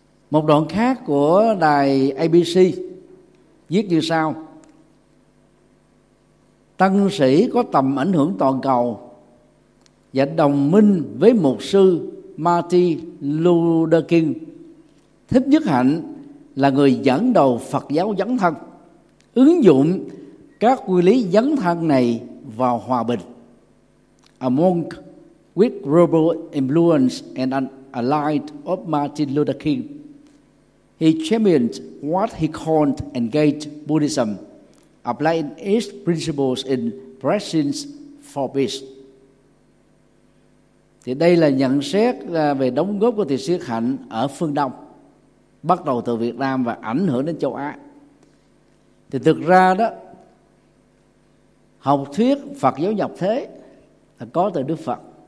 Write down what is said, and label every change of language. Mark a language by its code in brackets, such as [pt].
[vi] Một đoạn khác của đài ABC viết như sau: tăng sĩ có tầm ảnh hưởng toàn cầu và đồng minh với mục sư Martin Luther King, Thích Nhất Hạnh là người dẫn đầu Phật giáo dấn thân, ứng dụng các quy lý dấn thân này vào hòa bình. [en] A monk with global influence and an ally of Martin Luther King, he championed what he called engaged Buddhism, applying its principles in pressing for peace. [vi] Thì đây là nhận xét về đóng góp của thiền sư Nhất Hạnh ở phương Đông, bắt đầu từ Việt Nam và ảnh hưởng đến châu Á. Thì thực ra đó, học thuyết Phật giáo nhập thế là có từ Đức Phật.